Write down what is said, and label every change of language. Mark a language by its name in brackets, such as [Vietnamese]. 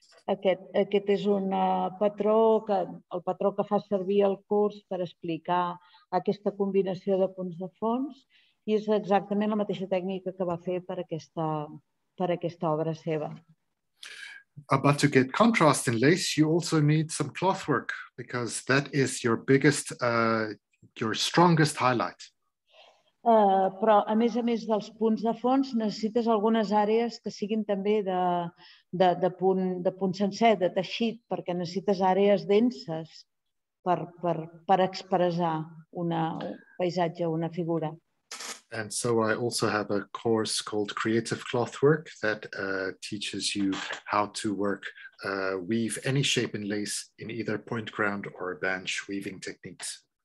[Catalan] Aquest és un patró, el patró que fa servir el curs per explicar aquesta combinació de punts de fons, i és exactament la mateixa tècnica que va fer per aquesta obra seva. [English] But to get contrast in lace, you also need some cloth work, because that is your biggest, your strongest highlight. [Catalan] Però a més dels punts de fons, necessites algunes àrees que siguin també de punt sencer, de teixit, perquè necessites àrees denses per expressar un paisatge, una figura. [English] And so I also have a course called Creative Clothwork that teaches you how to work, weave any shape in lace in either point ground or a bench weaving techniques.